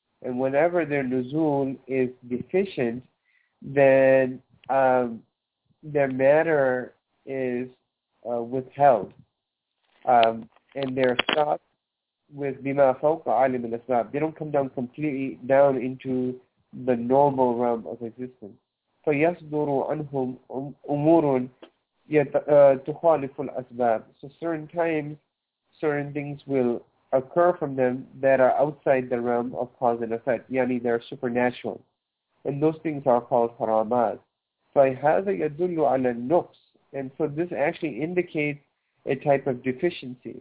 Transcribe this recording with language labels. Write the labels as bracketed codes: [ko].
[en] And whenever their nuzul is deficient, then their matter is withheld. And they're stopped with [ar] bima fawqa alim al-asbab. [en] They don't come down completely down into the normal realm of existence. [ar] فَيَصْدُرُ عَنْهُمْ أُمُورٌ تُخَالِفُ الْأَسْبَابِ. [en] So certain times, certain things will occur from them that are outside the realm of cause and effect. Yani they're supernatural. And those things are called karamat. [ar] فَيْهَذَا يَدُلُّ عَلَى النُّقْصِ. [en] And so this actually indicates a type of deficiency.